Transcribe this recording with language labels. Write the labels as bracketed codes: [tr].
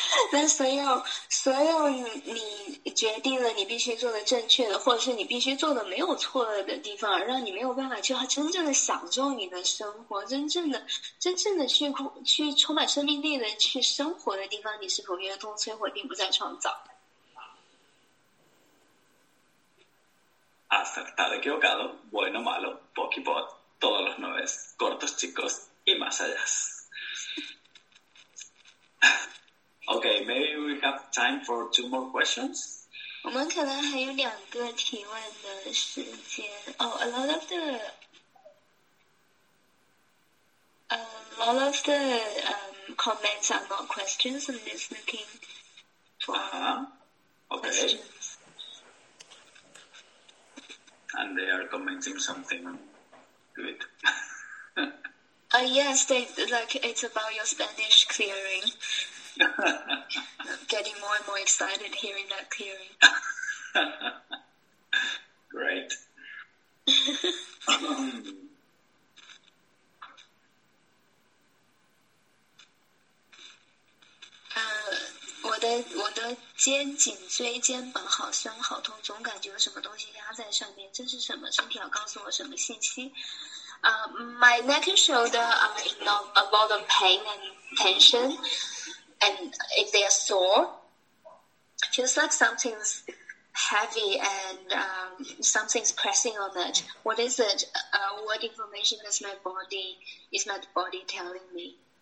[zh] 那所有你决定了你必须做的正确的，或者是你必须做的没有错的地方，让你没有办法去真正的享受你的生活，真正的去充满生命力的去生活的地方，你是否愿意动摧毁，并不再创造？ [es] Acertado, equivocado, bueno, malo, poquipot, todos los noves, cortos, chicos, y más allá. [en] Okay, maybe we have time for two more questions. [zh] 我们可能还有两个提问的时间。 [en] A lot of the comments are not questions. I'm just looking for Okay. questions. And they are commenting something good. Yes, it's about your Spanish clearing. I'm getting more and more excited hearing that clearing. Great. [zh] 我的肩颈椎肩膀好酸好痛，总感觉有什么东西压在上面，这是什么？身体要告诉我什么信息？ [en] My neck and shoulder are in a lot of pain and tension, and if they are sore, feels like something's heavy and something's pressing on it. What is it? What information is my body telling me?